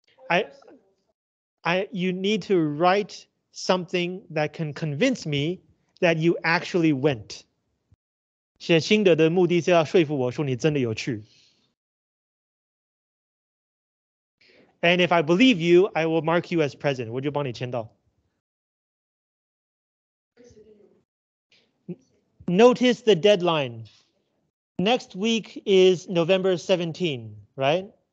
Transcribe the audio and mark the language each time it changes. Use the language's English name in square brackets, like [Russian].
[English] You need to write something that can convince me that you actually went. [Chinese] 写心得的目的是要说服我说你真的有趣. [English] And if I believe you, I will mark you as present. [Chinese] 我就帮你签到. [English] Notice the deadline. Next week is November 17, right?